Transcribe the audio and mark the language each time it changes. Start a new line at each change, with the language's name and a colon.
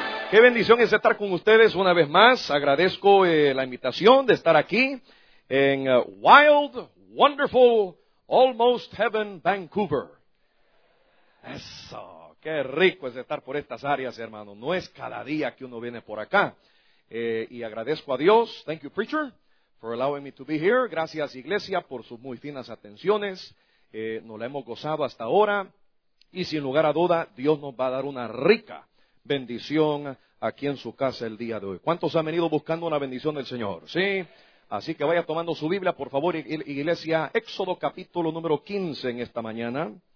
Spanish: ¡Qué bendición es estar con ustedes una vez más! Agradezco la invitación de estar aquí en Wild, Wonderful, Almost Heaven, Vancouver. ¡Eso! ¡Qué rico es estar por estas áreas, hermano! No es cada día que uno viene por acá. Y agradezco a Dios,
English: thank you, preacher, for allowing me to be here.
Spanish: Gracias, iglesia, por sus muy finas atenciones. Nos la hemos gozado hasta ahora. Y sin lugar a duda, Dios nos va a dar una rica bendición aquí en su casa el día de hoy. ¿Cuántos han venido buscando una bendición del Señor? ¿Sí? Así que vaya tomando su Biblia, por favor, iglesia, Éxodo capítulo número 15 en esta mañana.